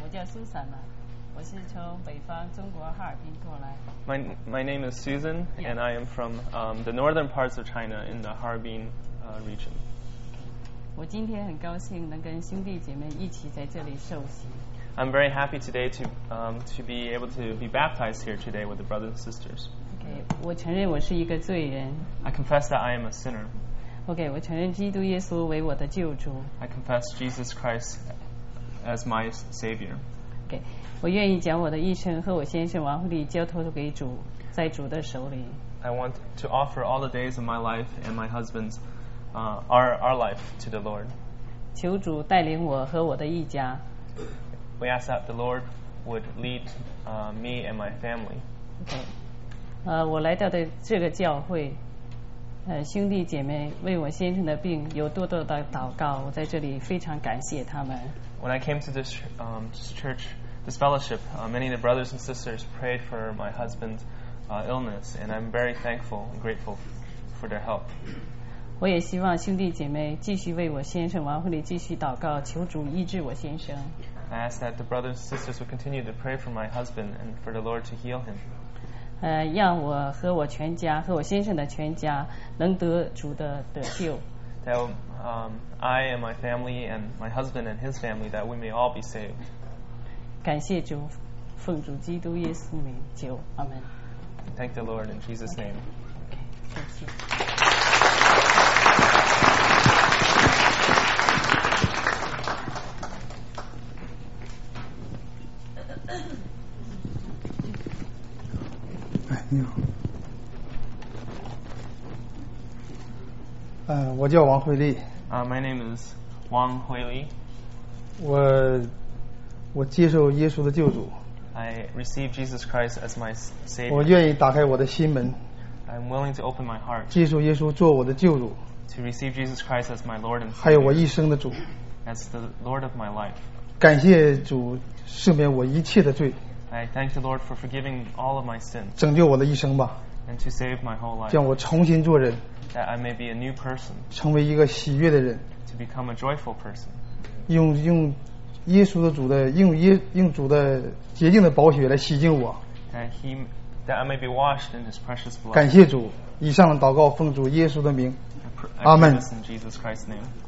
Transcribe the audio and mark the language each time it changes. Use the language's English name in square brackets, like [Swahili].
[Chinese] 我叫苏珊呢，我是从北方中国哈尔滨过来。 [English] My name is Susan,、 yeah. and I am from the northern parts of China in the Harbin region. [Chinese] 我今天很高兴能跟兄弟姐妹一起在这里受洗。 [English] I'm very happy today to be able to be baptized here today with the brothers and sisters. [Chinese] Okay, 我承认我是一个罪人。 [English] I confess that I am a sinner. [Chinese] Okay, 我承认基督耶稣为我的救主。 [English] I confess Jesus Christ as my Savior. [Chinese] Okay, 我愿意将我的一生和我先生王惠丽交托给主，在主的手里。 [English] I want to offer all the days of my life and my husband's, our life to the Lord. [Chinese] 求主带领我和我的一家。 [English] We ask that the Lord would lead me and my family. Okay. [Chinese] 我来到的这个教会，兄弟姐妹为我先生的病有多多的祷告，我在这里非常感谢他们。 [English] When I came to this church, this fellowship, many of the brothers and sisters prayed for my husband's illness, and I'm very thankful and grateful for their help. [Chinese] 我也希望兄弟姐妹继续为我先生王惠丽继续祷告，求主医治我先生。 [English] I ask that the brothers and sisters would continue to pray for my husband and for the Lord to heal him. [Chinese] 让我和我全家和我先生的全家能得主的得救。 [English] That I and my family and my husband and his family that we may all be saved. [Chinese] 感谢主，奉主基督耶稣名求，阿门。 [English] Thank the Lord in Jesus' name. [Chinese] Yeah. 我叫王惠丽。 [English] My name is Wang Huili. [Chinese] 我接受耶稣的救主。 [English] I receive Jesus Christ as my Savior. [Chinese] 我愿意打开我的心门。 [English] I'm willing to open my heart. [Chinese] 接受耶稣做我的救主。 [English] To receive Jesus Christ as my Lord and Savior. [Chinese] 还有我一生的主。 [English] As the Lord of my life. [Chinese] 感谢主赦免我一切的罪。 [English] I thank the Lord for forgiving all of my sins. [Chinese] 拯救我的一生吧。 [English] And to save my whole life. [Chinese] 让我重新做人。 [English] That I may be a new person. [Chinese] 成为一个喜悦的人。 [English] To become a joyful person. [Chinese] 用耶稣的主的用主的洁净的宝血来洗净我。 [English] That I may be washed in His precious blood. [Chinese] 感谢主，以上的祷告奉主耶稣的名。阿门。 [English] In Jesus Christ's name.